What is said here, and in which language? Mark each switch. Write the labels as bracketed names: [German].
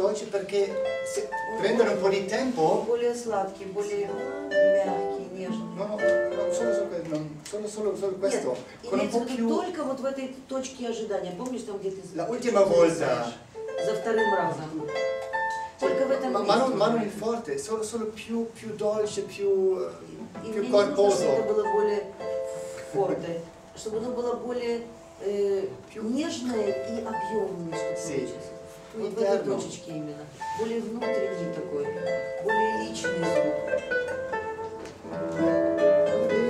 [Italian] Perché se prendono un po' di tempo. [Russian] Более сладкий, более мягкий, нежный. [Italian] Solo questo. Con un po' più. [Russian] Только вот в этой точке ожидания. Помнишь там, где ты? [Italian] La ultima volta. [Russian] За вторым разом. Только в этом. [Italian] Ma non il forte, solo più dolce, più corposo. [Russian] Чтобы было более forte, чтобы оно было более нежное и объемное, что получилось. Вот в этой точечке именно. Более внутренний такой, более личный звук.